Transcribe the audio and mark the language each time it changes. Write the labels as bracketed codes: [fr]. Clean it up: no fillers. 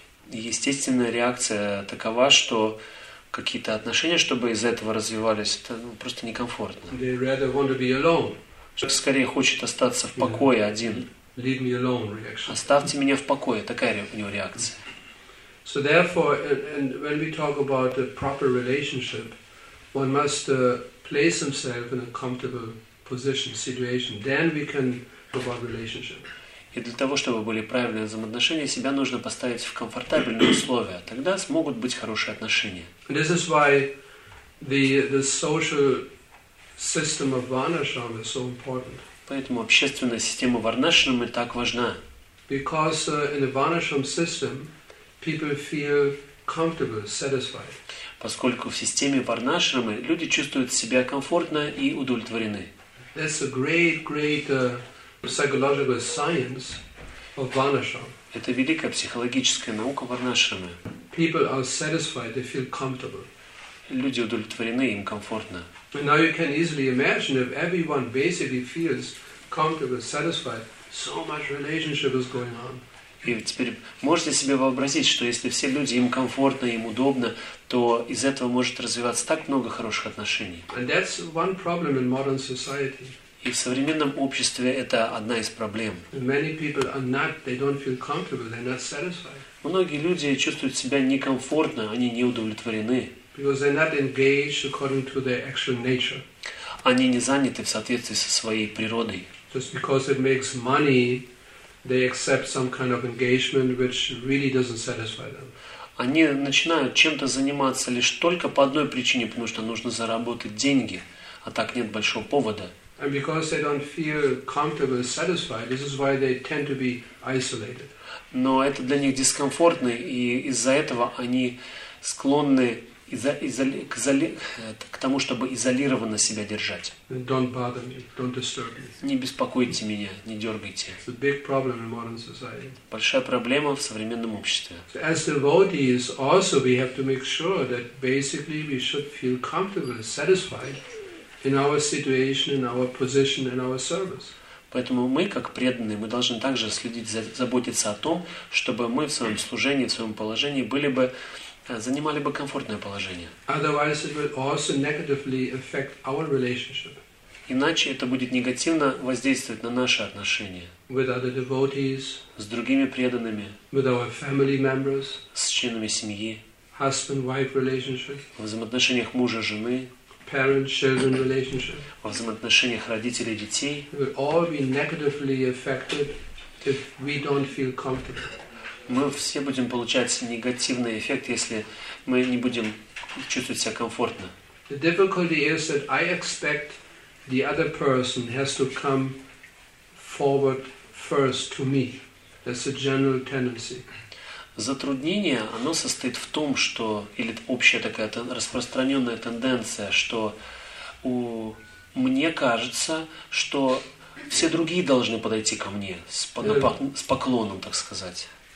[ru] Естественная реакция такова, что какие-то отношения, чтобы из этого развивались, это просто некомфортно. [en] They rather want to be alone. [ru] Человек скорее хочет остаться в покое, yeah, один. [en] Leave me alone reaction. [ru] Оставьте меня в покое. Такая у него реакция. [en] So therefore, and when we talk about a proper relationship, one must place himself in a comfortable position, situation. Then we can talk about relationship. [ru] И для того, чтобы были правильные взаимоотношения, себя нужно поставить в комфортабельные условия. Тогда смогут быть хорошие отношения. [en] And this is why the social system of Varnashram is so important. [ru] Поэтому общественная система Варнашрамы так важна. [en] Because in the Varnashram system, people feel comfortable, satisfied. [ru] Поскольку в системе Варнашрамы люди чувствуют себя комфортно и удовлетворены. [en] That's a great psychological science of Varnashram. [ru] Это великая психологическая наука Варнашрамы. [en] People are satisfied, they feel comfortable. [ru] Люди удовлетворены, им комфортно. [en] And now you can easily imagine if everyone basically feels comfortable, satisfied, so much relationship is going on. [ru] И теперь можете себе вообразить, что если все люди, им комфортно, им удобно, то из этого может развиваться так много хороших отношений. [en] And that's one problem in modern society. [ru] И в современном обществе это одна из проблем. [en] Many people are not, they don't feel comfortable, they're not satisfied. [ru] Многие люди чувствуют себя некомфортно, они не удовлетворены. [en] Because they're not engaged according to their actual nature. [ru] Они не заняты в соответствии со своей природой. [en] Just because it makes money, they accept some kind of engagement which really doesn't satisfy them. [ru] Они начинают чем-то заниматься лишь только по одной причине, потому что нужно заработать деньги, а так нет большого повода. [en] And because they don't feel comfortable, satisfied, this is why they tend to be isolated. [ru] Но это для них дискомфортно, и из-за этого они склонны к тому, чтобы изолированно себя держать. [en] Don't bother me, don't disturb me. [ru] Не беспокойте меня, не дергайте. [en] It's a big problem in modern society. [ru] Большая проблема в современном обществе. [en] So as devotees, also we have to make sure that basically we should feel comfortable, satisfied in our situation, in our position, in our service. [ru] Поэтому мы, как преданные, мы должны также следить, заботиться о том, чтобы мы в своем служении, в своем положении были бы занимали бы комфортное положение. [en] Otherwise, it will also negatively affect our relationship. [ru] Иначе это будет негативно воздействовать на наши отношения. [en] With other devotees, [ru] с другими преданными. [en] With our family members, [ru] с членами семьи. [en] Husband-wife relationship, [ru] в взаимоотношениях мужа и жены. [en] Parent-children relationship, [ru] во взаимоотношениях родителей и детей. [en] It will all be negatively affected if we don't feel comfortable. [ru] мы все будем получать негативный эффект, если мы не будем чувствовать себя комфортно. [en] The difficulty is that I expect the other person has to come forward first to me. That's a general tendency. [ru] Затруднение, оно состоит в том, что или общая такая распространенная тенденция, что мне кажется, что все другие должны подойти ко мне с поклоном, так сказать.